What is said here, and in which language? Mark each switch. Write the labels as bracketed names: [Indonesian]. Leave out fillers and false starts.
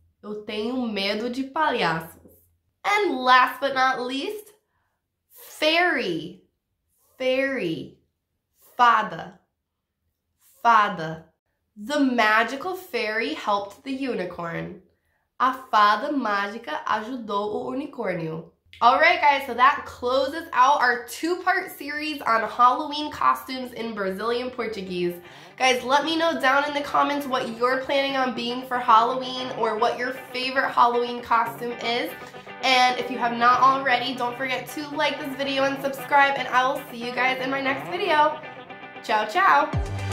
[Portuguese] Eu tenho medo de palhaços. [English] And last but not least, fairy. Fairy. Fada. Fada. The magical fairy helped the unicorn. [Portuguese] A fada mágica ajudou o unicórnio. [English] All right, guys, so that closes out our two-part series on Halloween costumes in Brazilian Portuguese. Guys, let me know down in the comments what you're planning on being for Halloween or what your favorite Halloween costume is. And if you have not already, don't forget to like this video and subscribe, and I will see you guys in my next video. Ciao, ciao!